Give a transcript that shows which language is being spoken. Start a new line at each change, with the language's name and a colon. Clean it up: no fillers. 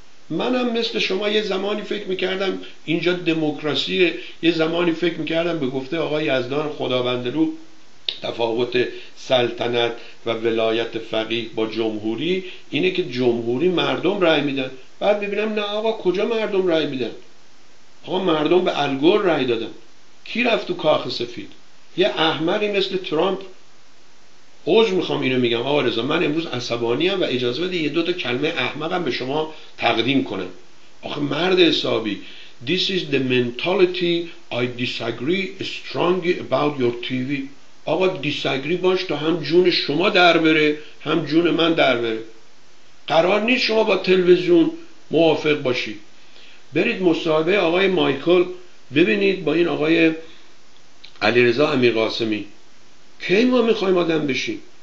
Persian: منم مثل شما یه زمانی فکر میکردم اینجا دموکراسیه، یه زمانی فکر میکردم به گفته آقای یزدان خداوند رو تفاوت سلطنت و ولایت فقیه با جمهوری اینه که جمهوری مردم رأی میدن، بعد ببینم نه آقا کجا مردم رأی میدن، آقا مردم به الگور رأی دادن. کی رفت تو کاخ سفید؟ یه احمقی مثل ترامپ. عذر میخوام اینو میگم آقا رضا، من امروز عصبانی ام و اجازه بده یه دو تا کلمه احمقم به شما تقدیم کنم. آخه مرد حسابی،
English: this is the mentality I disagree strongly about your TV.
Persian: آقا disagree باش تا هم جون شما در بره هم جون من در بره. قرار نیست شما با تلویزیون موافق باشی. برید مصاحبه آقای مایکل ببینید با این آقای علیرضا امیرقاسمی کی ما میخوایم آدم بشیم.